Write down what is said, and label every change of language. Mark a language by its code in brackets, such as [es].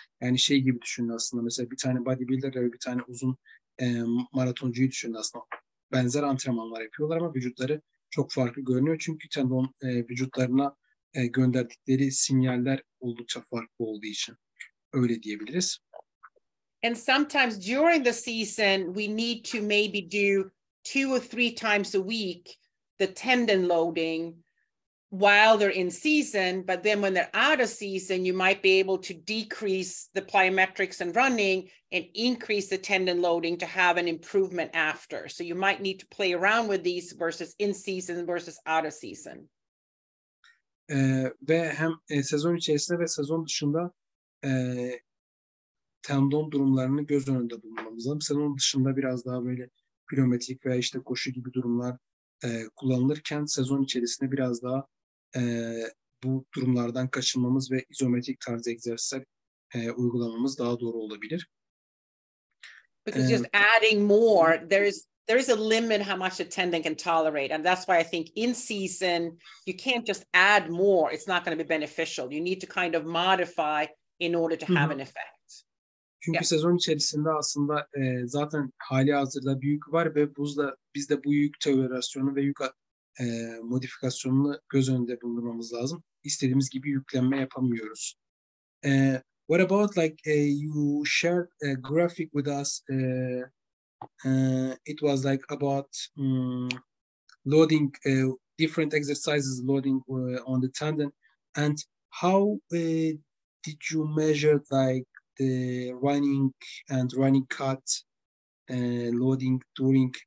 [tr] Yani şey gibi düşünün aslında, mesela bir tane bodybuilder ve bir tane uzun maratoncuyu düşünün aslında. Benzer antrenmanlar yapıyorlar ama vücutları çok farklı görünüyor. Çünkü tendon vücutlarına gönderdikleri sinyaller oldukça farklı olduğu için öyle diyebiliriz. [en] And sometimes during the season, we need to maybe do 2 or 3 times a week the tendon loading while they're in season. But then when they're out of season, you might be able to decrease the plyometrics and running and increase the tendon loading to have an improvement after. So you might need to play around with these versus in season versus out of season. [tr] Ve hem sezon içerisinde ve sezon dışında tendon durumlarını göz önünde bulmamız lazım. Sezon dışında biraz daha böyle plyometrik veya işte koşu gibi durumlar kullanılırken, sezon içerisinde biraz daha bu durumlardan kaçınmamız ve izometrik tarz egzersizler uygulamamız daha doğru olabilir. [en] Because just adding more, there is a limit how much a tendon can tolerate, and that's why I think in season you can't just add more. It's not going to be beneficial. You need to kind of modify in order to have an effect. [tr] Çünkü yeah. Sezon içerisinde aslında zaten hali hazırda bir yük var ve biz de bu yük tolerasyonu ve yük modifikasyonunu göz önünde bulundurmamız lazım. İstediğimiz gibi yüklenme yapamıyoruz. [en] What about you shared a graphic with us? It was like about loading different exercises, loading on the tendon, and how did you measure like the running and running cut loading during?